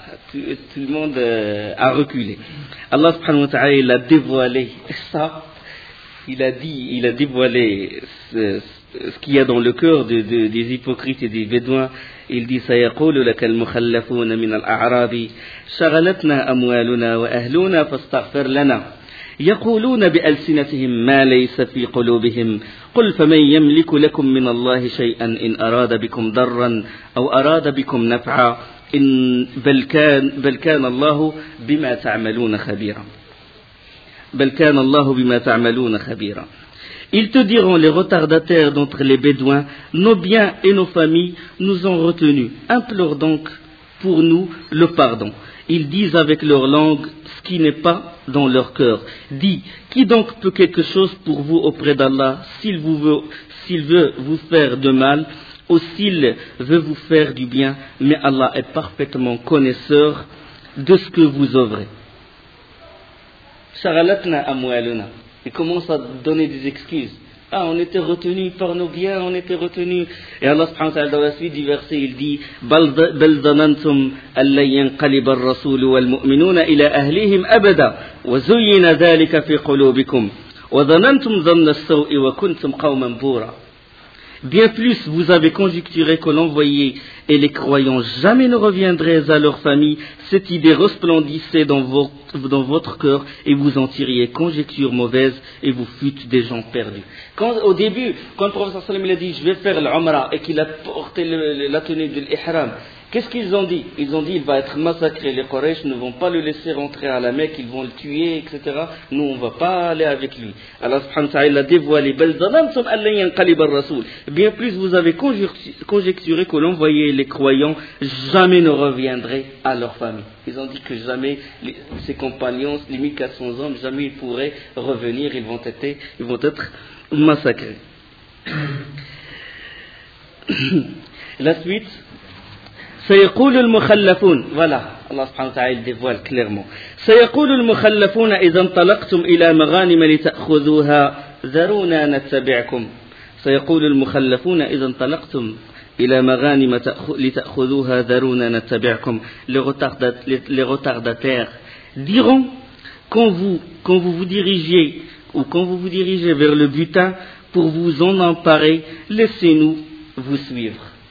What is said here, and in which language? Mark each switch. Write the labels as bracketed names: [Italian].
[French] tout le monde a reculé. Allah subhanahu wa ta'ala, il a dévoilé ça. Il a dévoilé ce qu'il y a dans le cœur des hypocrites et des bédouins. Il dit [Arabic] سيقول لك المخلفون من الأعراب شغلتنا أموالنا وأهلنا فاستغفر لنا يقولون بألسنتهم ما ليس في قلوبهم قل فمن يملك لكم من الله شيئا إن أراد بكم ضرا أو أراد بكم نفعا إن بل كان الله بما تعملون خبيرا بل كان الله بما تعملون خبيرا. [French] Ils te diront, les retardataires d'entre les bédouins, nos biens et nos familles nous ont retenus. Implore donc pour nous le pardon. Ils disent avec leur langue ce qui n'est pas dans leur cœur. Dis, qui donc peut quelque chose pour vous auprès d'Allah s'il veut vous faire de mal ou s'il veut vous faire du bien? Mais Allah est parfaitement connaisseur de ce que vous œuvrez. [Arabic] Sharalatna amwaluna. [French] Il commence à donner des excuses. Ah, on était retenus par nos biens, on était retenus. Et Allah subhanahu wa ta'ala, dans la suite du verset, il dit [Arabic] بَلْ ظَنَنْتُمْ أَلَّنْ يَنْقَلِبَ الرَّسُولُ وَالْمُؤْمِنُونَ إِلَىٰ أَهْلِهِمْ أَبَدًا وَزُيِّنَ ذَلِكَ فِي قُلُوبِكُمْ وَظَنَنْتُمْ ظَنَّ السَّوْءِ وَكُنْتُمْ قَوْمًا بُورًا. [French] Bien plus, vous avez conjecturé que l'envoyé et les croyants jamais ne reviendraient à leur famille. Cette idée resplendissait dans votre cœur et vous en tiriez conjecture mauvaise et vous fûtes des gens perdus. Au début, quand le prophète sallam a dit « Je vais faire l'Umrah » et qu'il a porté la tenue de l'Ihram, qu'est-ce qu'ils ont dit? Ils ont dit « Il va être massacré, les Quraysh ne vont pas le laisser rentrer à la Mecque, ils vont le tuer, etc. Nous, on ne va pas aller avec lui. » Allah subhanahu wa ta'ala a dévoilé « [Arabic] Belzalansum allan yanqalib al-rasoul [French] » Bien plus, vous avez conjecturé que l'envoyé et les croyants jamais ne reviendraient à leur famille. Ils ont dit que jamais ses compagnons, les 1400 hommes, jamais ils pourraient revenir, ils vont être massacrés. La suite... [Arabic] سيقول المخلفون ولا الله سبحانه وتعالى ديفوال كليرمون سيقول المخلفون اذا انطلقتم الى مغانم لتاخذوها ذرونا نتبعكم سيقول المخلفون اذا انطلقتم الى مغانم لتاخذوها ذرونا نتبعكم [French] les retardataires diront quand vous vous dirigez vers le butin pour vous en emparer, laissez-nous vous suivre.